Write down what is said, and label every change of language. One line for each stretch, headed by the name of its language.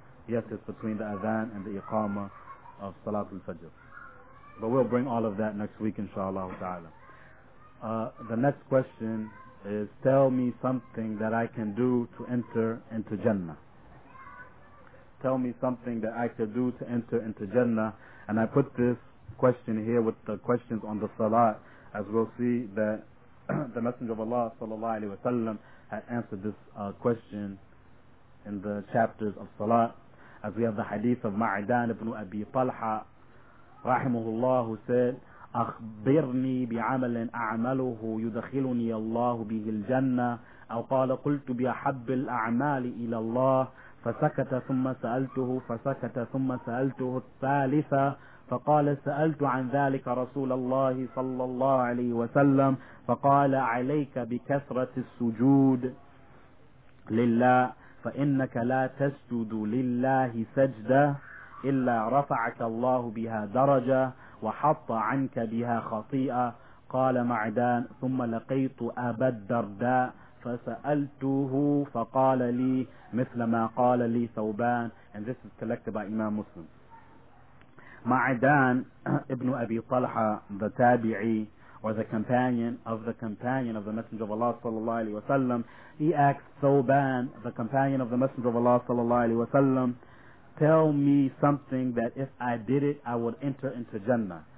English: Yes, it's between the adhan and the iqamah of salatul fajr. But we'll bring all of that next week, inshallah ta'ala. The next question is, tell me something that I can do to enter into Jannah. Tell me something that I could do to enter into Jannah. And I put this question here with the questions on the Salat, as we'll see that the Messenger of Allah sallallahu alaihi wasallam had answered this question in the chapters of Salat, as we have the hadith of Ma'idan ibn Abi Talha rahimahullah, who said,
Arabic: أخبرني بعمل أعمله يدخلني الله به الجنة أو قال قلت بأحب الأعمال إلى الله فسكت ثم سألته فسكت ثم سألته الثالثة فقال سألت عن ذلك رسول الله صلى الله عليه وسلم فقال عليك بكثرة السجود لله فإنك لا تسجد لله سجدة إلا رفعك الله بها درجة وحط عنك بها خطيئة قال معدان ثم لقيت أبا الدرداء فسألته فقال لي مثل ما قال لي ثوبان.
English: And this is collected by Imam Muslim. Ma'idan ibn Abi Talha, the Tabi'i, or the companion of the companion of the Messenger of Allah sallallahu alaihi wasallam, he asked Thawban, the companion of the Messenger of Allah sallallahu alaihi wasallam, tell me something that if I did it, I would enter into Jannah.